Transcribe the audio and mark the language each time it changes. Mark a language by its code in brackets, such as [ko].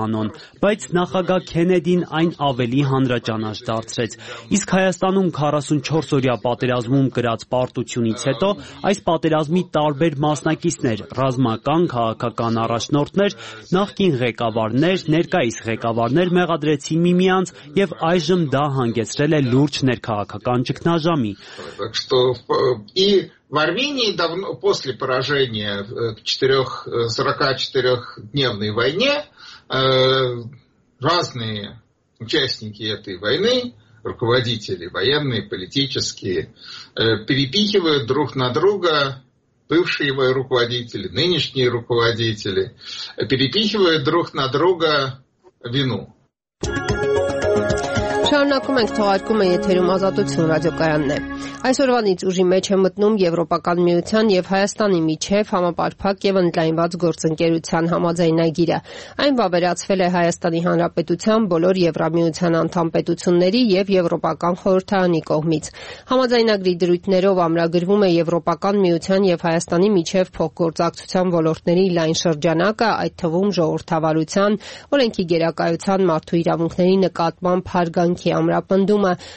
[hy] Չիանոն, բայց նախագահ Քենեդին այն ավելի հանրաճանաչ դարձրեց։ Իսկ Հայաստանում 44-օրյա պատերազմում կրած պարտությունից հետո այս պատերազմի տարբեր մասնակիցներ, ռազմական, քաղաքական առաջնորդներ, նախկին ղեկավարներ, ներկայիս ղեկավարներ մեղադրեցին միմյանց և այժմ դա հանգեցրել է լուրջ ներքաղաքական ճգնաժամի։ [ru] В Армении давно после поражения в 44-дневной войне разные участники этой войны, руководители военные, политические, перепихивают друг на друга бывшие руководители, нынешние руководители, перепихивают друг на друга вину. [hy] Շարունակում ենք թողարկումը եթերում Ազատություն ռադիոկայանն է։ Այսօրվանից ուժի մեջ է մտնում Եվրոպական միության և Հայաստանի միջև համապարփակ և ընդլայնված գործընկերության համաձայնագիրը։ Այն վավերացվել է Հայաստանի Հանրապետության բոլոր Եվրամիության անդամ պետությունների և Եվրոպական խորհրդարանի կողմից։ Համաձայնագրի դրույթներով ամրագրվում է Եվրոպական միության և Հայաստանի միջև փոխգործակցության ոլորտների լայն շրջանակը, այդ թվում ժողովրդավարության, օրենքի գերակայության, մարդու իրավունքների նկատմամբ հարգանքի ամրապնդումը,